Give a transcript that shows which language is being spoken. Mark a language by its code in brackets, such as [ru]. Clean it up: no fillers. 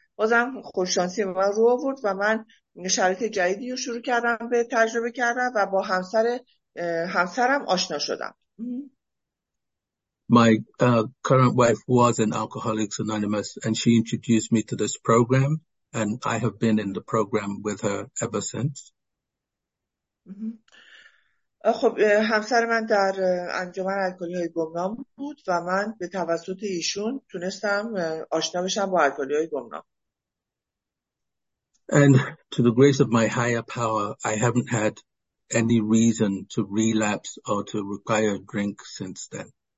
[fa] بازم خوششانسی من رو آورد و من شرایط جدیدی رو شروع کردم به تجربه کردم و با همسرم آشنا شدم. [en] My current wife was an Alcoholics Anonymous, and she introduced me to this program, and I have been in the program with her ever since. [fa] خب همسر من در انجمن الکلی های گمنام بود و من به توسط ایشون تونستم آشنا بشم با الکلی های گمنام. [en] And to the grace of my higher power, I haven't had any reason to relapse or to require drink since then.